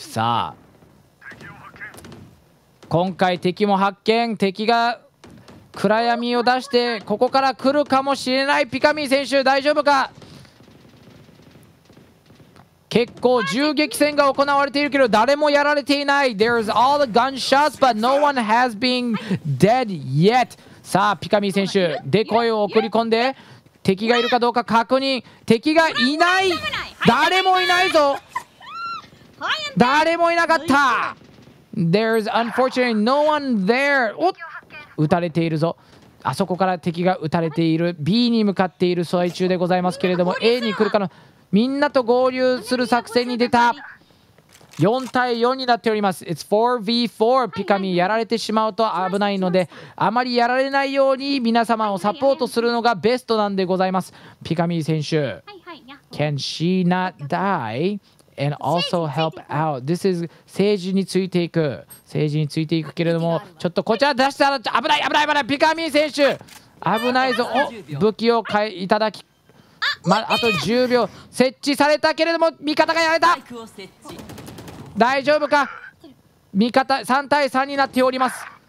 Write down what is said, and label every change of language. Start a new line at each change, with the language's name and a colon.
Japanese: さあ今回敵も発見、敵が暗闇を出してここから来るかもしれない。ピカミー選手大丈夫か。結構銃撃戦が行われているけど誰もやられていない。
English: There's all the gunshots but no one has been dead yet。
Japanese: さあピカミー選手デコイを送り込んで敵がいるかどうか確認。敵がいない、誰もいないぞ、誰もいなかった。
English: There's unfortunately no one there。
Japanese: おっ、撃たれているぞ、あそこから敵が撃たれている。 B に向かっている最中でございますけれども、 A に来るかの、みんなと合流する作戦に出た。 4対4になっております。
English: It's 4v4。
Japanese: ピカミやられてしまうと危ないので、あまりやられないように皆様をサポートするのがベストなんでございます。
English: ピカミ選手、 Can she not die and also help out? This is
Japanese: 政治についていく、政治についていくけれども、ちょっとこちら出したら危ない危ない危ない。ピカミ選手危ないぞ。お、武器を買いいただき、まあと10秒、設置されたけれども味方がやられた。大丈夫か、味方3対3になっております。